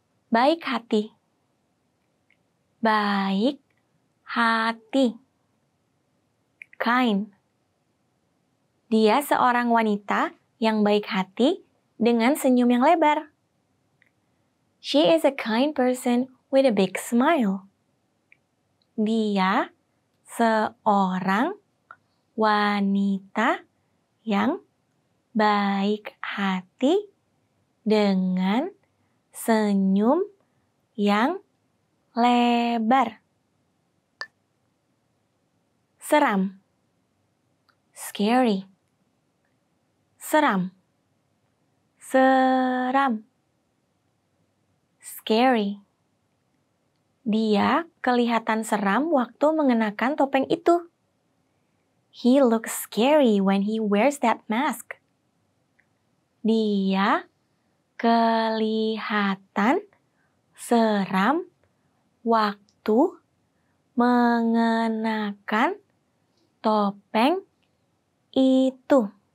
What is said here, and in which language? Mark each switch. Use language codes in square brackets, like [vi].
[id] Baik hati. Baik hati. [en] Kind. [id] Dia seorang wanita yang baik hati dengan senyum yang lebar. [en] She is a kind person with a big smile. [id] Dia seorang wanita yang baik hati dengan senyum yang lebar. Seram. [en] Scary. [id] Seram. Seram. Scary. Dia kelihatan seram waktu mengenakan topeng itu. [en] He looks scary when he wears that mask. [id] Dia kelihatan seram waktu mengenakan topeng itu.